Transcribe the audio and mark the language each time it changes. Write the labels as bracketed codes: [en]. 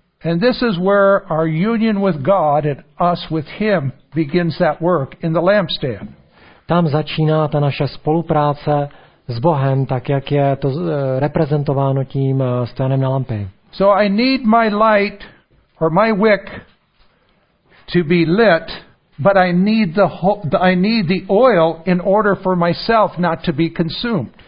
[en] And this is where our union with God and us with him begins that work in the lampstand. [cs] Tam začíná ta naše spolupráce s Bohem, tak jak je to reprezentováno tím stojanem na lampě. [en] So I need my light or my wick to be lit, but I need the oil in order for myself not to be consumed.